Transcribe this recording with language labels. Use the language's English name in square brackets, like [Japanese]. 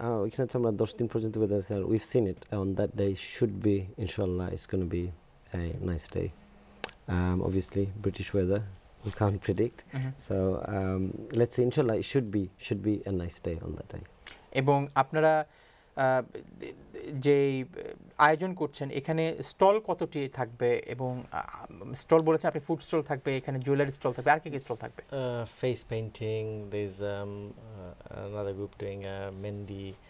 [Bangla] এখানে তো আমরা 10 দিন পর্যন্ত weather sir, [English] We've seen it on that day, should be ইনশাল্লাহ it's gonna be a nice day. Obviously British weather we can't predict. So let's see, inshallah it should be a nice day on that day. [Bangla] এবং আপনারা যে আয়োজন করছেন এখানে stall কতটি থাকবে, এবং স্টল বলেছেন আপনি ফুড স্টল থাকবে এখানে, জুয়েলারি স্টল থাকবে, আর কি কি স্টল থাকবে? [English] Face painting, there's another group doing mehndi.